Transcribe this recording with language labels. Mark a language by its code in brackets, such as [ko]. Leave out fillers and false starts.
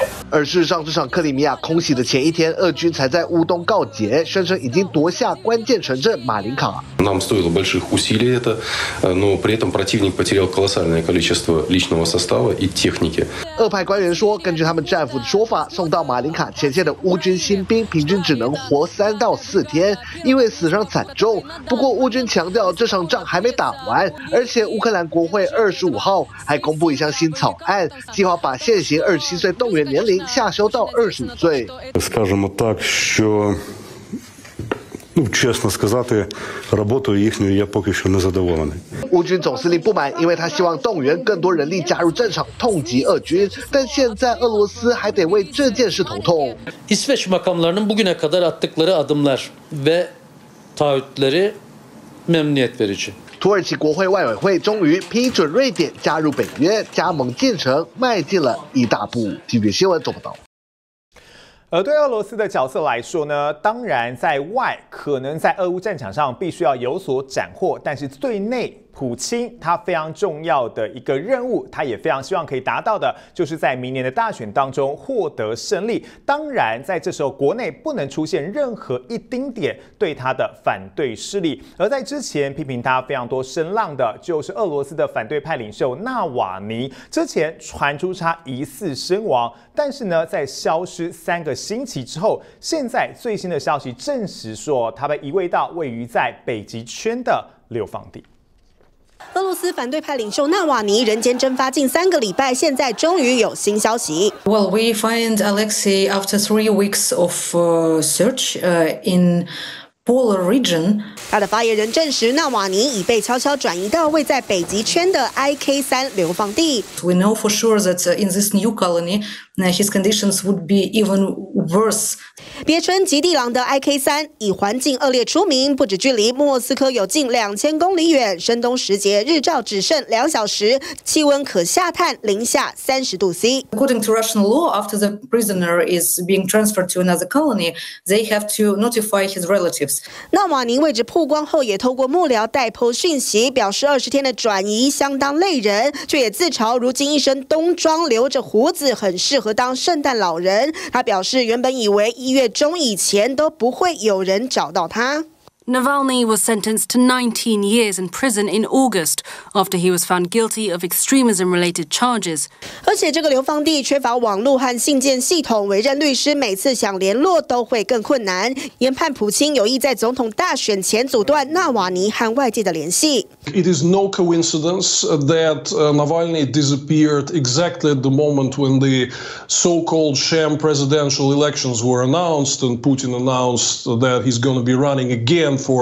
[zh] 而事实上，这场克里米亚空袭的前一天，俄军才在乌东告捷，宣称已经夺下关键城镇马林卡。 [ru] Нам стоило больших усилий это, но при этом противник потерял колоссальное количество личного состава и техники. [zh] 俄派官员说，根据他们战俘的说法，送到马林卡前线的乌军新兵平均只能活3到4天，因为死伤惨重。不过，乌军强调这场仗还没打完，而且乌克兰国会25号还公布一项新草案，计划把现行27岁动员年龄。 [ru] Скажем так, [uk] що, чесно сказати, роботою їхньою я поки що не задоволений. [zh] 乌军总司令不满，因为他希望动员更多人力加入战场，痛击俄军。但现在俄罗斯还得为这件事头痛。 [tr] İsveç makamlarının bugüne kadar attıkları adımlar ve taahhütleri memnuniyet verici. [zh] 土耳其国会外委会终于批准瑞典加入北约，加盟进程迈进了一大步。体育新闻做不到。而对俄罗斯的角色来说呢，当然在外可能在俄乌战场上必须要有所斩获，但是最内普京他非常重要的一个任务，他也非常希望可以达到的，就是在明年的大选当中获得胜利。当然在这时候国内不能出现任何一丁点对他的反对势力。而在之前批评他非常多声浪的就是俄罗斯的反对派领袖纳瓦尼，之前传出他疑似身亡，但是呢在消失三个星期之后，现在最新的消息证实说他被移位到位于在北极圈的流放地。俄罗斯反对派领袖纳瓦尼人间蒸发近三个礼拜，现在终于有新消息。 [en] Well, we find Alexei after 3 weeks of search in polar region. [zh] 他的发言人证实，纳瓦尼已被悄悄转移到位在北极圈的 IK3 流放地。 [en] We know for sure that in this new colony. His conditions would be even worse. [zh] 别称极地狼的 IK3 以环境恶劣出名，不止距离莫斯科有近2000公里远，深冬时节日照只剩2小时，气温可下探-30°C. [en] According to Russian law, after the prisoner is being transferred to another colony, they have to notify his relatives. [zh] 纳瓦尼位置曝光后，也透过幕僚代抛讯息，表示20天的转移相当累人，却也自嘲如今一身冬装，留着胡子很适合当圣诞老人。他表示，原本以为一月中以前都不会有人找到他。 [en] Navalny was sentenced to 19 years in prison in August after he was found guilty of extremism-related charges. [zh] 而且这个流放地缺乏网络和信件系统，委任律师每次想联络都会更困难。研判普京有意在总统大选前阻断纳瓦尼和外界的联系。 [en] It is no coincidence that Navalny disappeared exactly at the moment when the so-called sham presidential elections were announced and Putin announced that he's going to be running again.